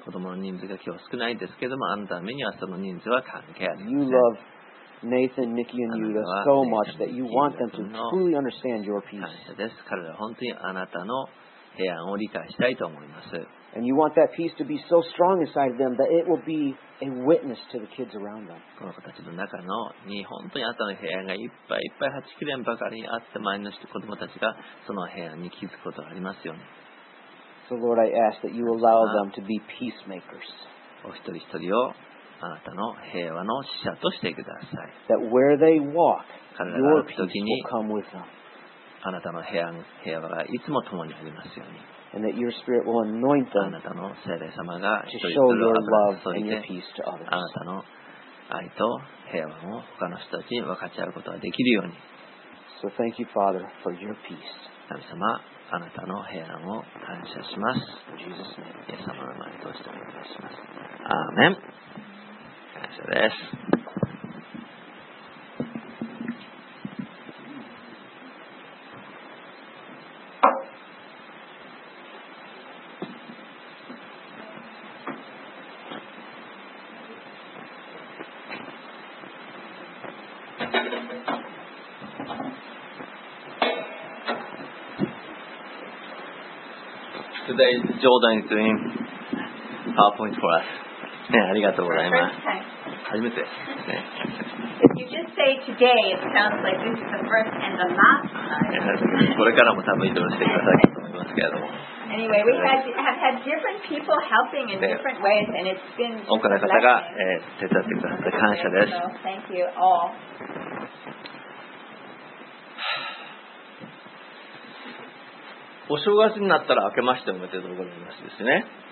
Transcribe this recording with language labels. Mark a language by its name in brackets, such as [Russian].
[Japanese] 子供の人数が今日少ないですけども、あなたの目には朝の人数は関係ありません。 [English] You love Nathan, Nikki, and Yuta so much that you want them to truly understand your peace. [Japanese] 感謝です。彼らは本当にあなたの平安を理解したいと思います。 [English] And you want that peace to be so strong inside them that it will be a witness to the kids around them. [Japanese] この子たちの中のに本当にあなたの平安がいっぱいいっぱいはち切れんばかりにあって、周りの子供たちがその平安に気づくことがありますように。 [English] So Lord, I ask that you allow them to be peacemakers. [Japanese] お一人一人をあなたの平和の使者としてください。 [English] That where they walk, [Japanese] 彼らが歩くときに [English] will come with them. [Japanese] あなたの平和がいつも共にありますように。 [English] And that your spirit will anoint them [Japanese] あなたの聖霊様が一人一人を油に注いで、 [English] and your peace to others. [Japanese] あなたの愛と平和を他の人たちに分かち合うことができるように。 [English] So thank you, Father, for your peace. [Japanese] 神様、あなたの平安を感謝します。 [English] In Jesus' name. [Japanese] イエス様の名前としてお願いします。アーメン。感謝です。 [English] today Jordan is doing PowerPoint for us. Yeah, [Japanese] ありがとうございます。初めて。 [English] If you just say today, it sounds like this is the first and the last time. [Japanese] これからも多分移動してくださいと思いますけれども。 [English] Anyway, we have had different people helping in different ways, and it's been a blessing. [Japanese] 多くの方が手伝ってくださって感謝です。 [English] Thank you all. [Japanese] お正月になったら明けましておめでとうございますですね。